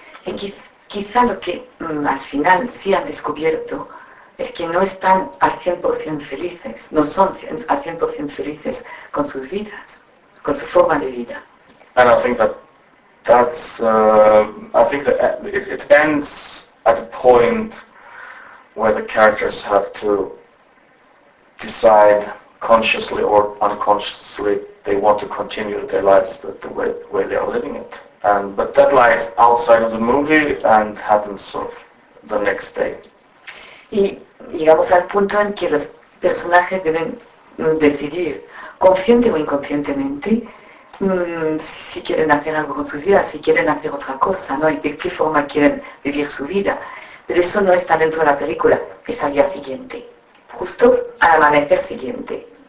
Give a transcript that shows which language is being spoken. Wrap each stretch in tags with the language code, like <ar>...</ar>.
<es>Y quizá lo que al final sí han descubierto es que no están al 100% felices, no son al 100% felices con sus vidas, con su forma de vida.</es> <en>And I think it ends at a point where the characters have to decide consciously or unconsciously they want to continue their lives the way they are living it. But that lies outside of the movie and happens sort of the next day.</en> <es>Y llegamos al punto en que los personajes deben decidir, consciente o inconscientemente, si quieren hacer algo con sus vidas, si quieren hacer otra cosa, ¿no? Y de qué forma quieren vivir su vida. Pero eso no está dentro de la película, es al día siguiente, justo al amanecer siguiente.</es>